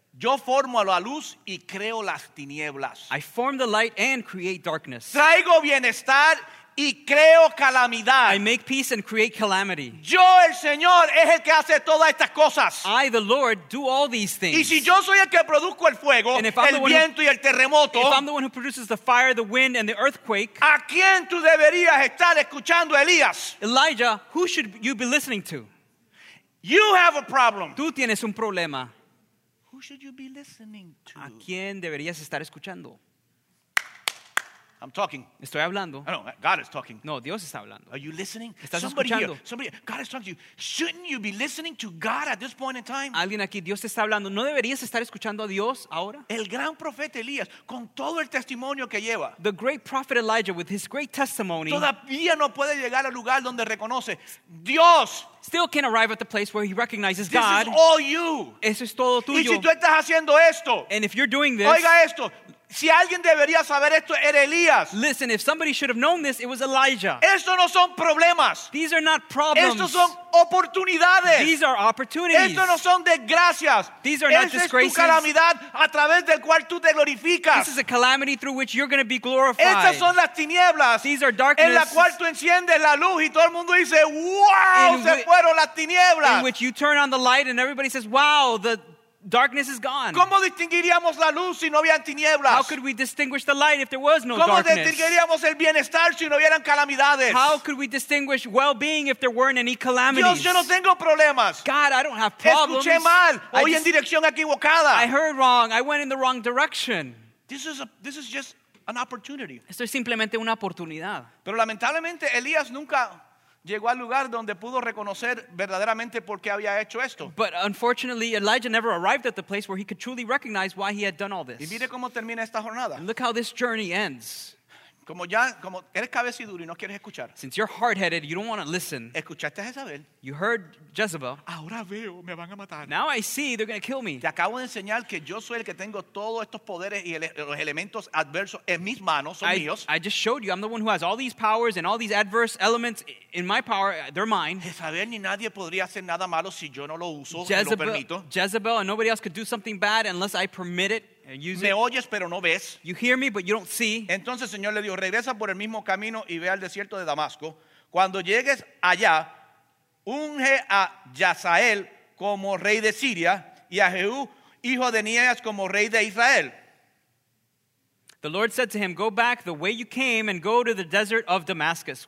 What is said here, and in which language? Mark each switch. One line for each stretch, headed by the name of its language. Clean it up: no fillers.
Spanish: Yo formo a la luz y creo las tinieblas.
English: I form the light and create darkness.
Spanish: Traigo bienestar y creo calamidad.
English: I make peace and create calamity.
Spanish: Yo, el Señor, es el que hace todas estas cosas.
English: I, the Lord, do all these things.
Spanish: Y si yo soy el que produzco el fuego, el viento y el terremoto,
English: if I'm the one who produces the fire, the wind, and the earthquake,
Spanish: ¿a quién tú deberías estar escuchando, Elías?
English: Elijah, who should you be listening to? You have a problem.
Spanish: Tú tienes un problema.
English: Who should you be listening to?
Spanish: ¿A quién deberías estar escuchando?
English: I'm talking.
Spanish: Estoy hablando.
English: No, God is talking.
Spanish: No, Dios está hablando.
English: Are you listening?
Spanish: ¿Estás
English: somebody
Spanish: escuchando?
English: Here, somebody, God is talking to you. Shouldn't you be listening to God at this point in time?
Spanish: Alguien aquí, Dios te está hablando. ¿No deberías estar escuchando a Dios ahora? El gran profeta Elías, con todo el testimonio que lleva.
English: The great prophet Elijah, with his great testimony.
Spanish: Todavía no puede llegar al lugar donde reconoce Dios.
English: Still can't arrive at the place where he recognizes this God. This is all you.
Spanish: Eso es todo tuyo. Y si tú estás haciendo esto.
English: And if you're doing this.
Spanish: Oiga esto. Si alguien debería saber esto, era Elías.
English: Listen, if somebody should have known this, it was Elijah.
Spanish: Estos no son problemas.
English: These are not problems.
Spanish: Estos son oportunidades.
English: These are opportunities.
Spanish: Estos no son desgracias.
English: These are not disgraces.
Spanish: Es tu calamidad a través del cual tú te glorificas.
English: This is a calamity through which you're going to be glorified.
Spanish: Estas son las tinieblas.
English: These are darkness.
Spanish: En la cual tú enciendes la luz y todo el mundo dice, wow, se fueron las tinieblas.
English: In which you turn on the light and everybody says, wow, the darkness is gone.
Spanish: ¿Cómo distinguiríamos la luz si no habían tinieblas?
English: How could we distinguish the light if there was no
Spanish: ¿Cómo
English: darkness?
Spanish: Distinguiríamos el bienestar si no hubieran calamidades?
English: How could we distinguish well-being if there weren't any calamities?
Spanish: Dios, yo no tengo problemas.
English: God, I don't have problems.
Spanish: Escuché mal. Oí en dirección equivocada.
English: I heard wrong. I went in the wrong direction. This is just an opportunity.
Spanish: Esto es simplemente una oportunidad. Pero lamentablemente Elías nunca llegó al lugar donde pudo reconocer verdaderamente por qué había hecho esto.
English: But unfortunately, Elijah never arrived at the place where he could truly recognize why he had done all this.
Spanish: Y mire cómo termina esta jornada.
English: And look how this journey ends.
Spanish: Como eres cabeciduro y no quieres escuchar.
English: Since you're hard-headed, you don't want to listen.
Spanish: Escuchaste a Jezabel.
English: You heard Jezebel.
Spanish: Ahora veo, me van a matar.
English: Now I see, they're going to kill me.
Spanish: Te acabo de enseñar que yo soy el que tengo todos estos poderes y los elementos adversos en mis manos, son míos.
English: I just showed you, I'm the one who has all these powers and all these adverse elements in my power, they're mine.
Spanish: Jezabel ni nadie podría hacer nada malo si yo no lo uso,
English: Jezebel,
Spanish: lo permito.
English: Jezebel and nobody else could do something bad unless I permit it.
Spanish: Me oyes, pero no ves.
English: You hear me, but you don't see.
Spanish: Entonces, Señor le dijo, regresa por el mismo camino y ve al desierto de Damasco. Cuando llegues allá, unge a Hazael como rey de Siria y a Jehú, hijo de Nías, como rey de Israel.
English: The Lord said to him, go back the way you came and go to the desert of Damascus.